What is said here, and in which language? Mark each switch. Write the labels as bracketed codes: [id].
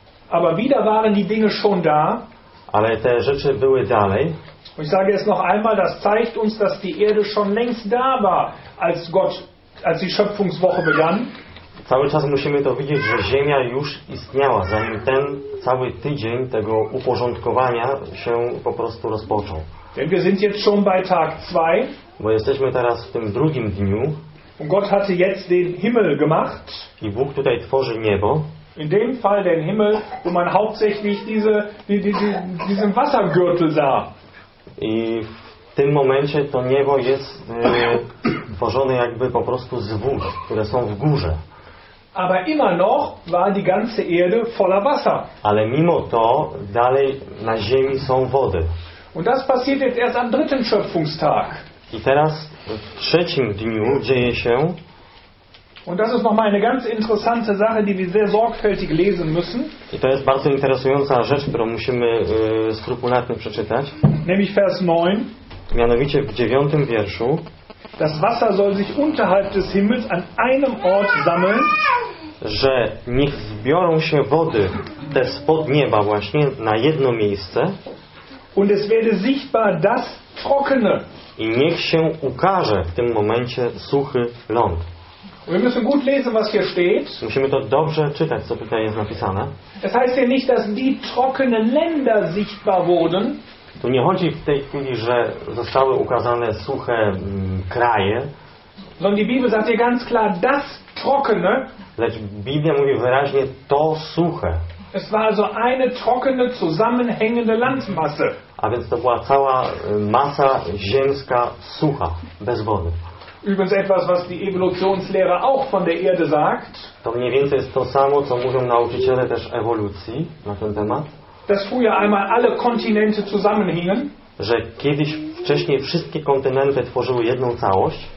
[de] Aber wieder waren die Dinge schon da. [pl] Ale te rzeczy były dalej. [de] Ich sage es noch einmal, das zeigt uns, dass die Erde schon längst da war, als die Schöpfungswoche begann. [pl] Cały czas musimy to widzieć, że Ziemia już istniała, zanim ten cały tydzień tego uporządkowania się po prostu rozpoczął. [de] Denn wir sind jetzt schon bei Tag 2. [pl] Bo jesteśmy teraz w tym drugim dniu. [de] Und Gott hatte jetzt den Himmel gemacht. [pl] I Bóg tutaj tworzy niebo. [de] In dem Fall den Himmel, wo man hauptsächlich diesen Wassergürtel sah. [pl] I w tym momencie to niebo jest tworzone jakby po prostu z wód, które są w górze. [de] Aber immer noch war die ganze Erde voller Wasser. [pl] Ale mimo to dalej na ziemi są wody. [de] Und das passiert jetzt erst am dritten Schöpfungstag. [pl] I teraz w trzecim dniu dzieje się. [de] Und das ist noch mal eine ganz interessante Sache, die wir sehr sorgfältig lesen müssen. [pl] I to jest bardzo interesująca rzecz, którą musimy skrupulatnie przeczytać. [de] Nämlich Vers 9. [pl] Mianowicie w 9. wierszu. [de] Das Wasser soll sich unterhalb des Himmels an einem Ort sammeln. [pl] Że niech zbiorą się wody te spod nieba właśnie na jedno miejsce. [de] Und es werde sichtbar das Trockene. [pl] I niech się ukaże w tym momencie suchy ląd. [de] Wir müssen gut lesen, was hier steht. [pl] Musimy to dobrze czytać, co tutaj jest napisane. [de] Es heißt hier nicht, dass die trockenen Länder sichtbar wurden. [pl] Tu nie chodzi w tej chwili, że zostały ukazane suche kraje. [de] Sondern die Bibel sagt hier ganz klar das Trockene. [pl] Lecz Biblia mówi wyraźnie to suche. [de] Es war also eine trockene, zusammenhängende Landmasse. [pl] A więc to była cała masa ziemska sucha, bez wody. [de] Übrigens etwas, was die Evolutionslehre auch von der Erde sagt. [pl] To mniej więcej jest to samo, co mówią nauczyciele też ewolucji na ten temat. [de] Dass früher einmal alle Kontinente zusammenhingen. [pl] Że kiedyś wcześniej wszystkie kontynenty tworzyły jedną całość.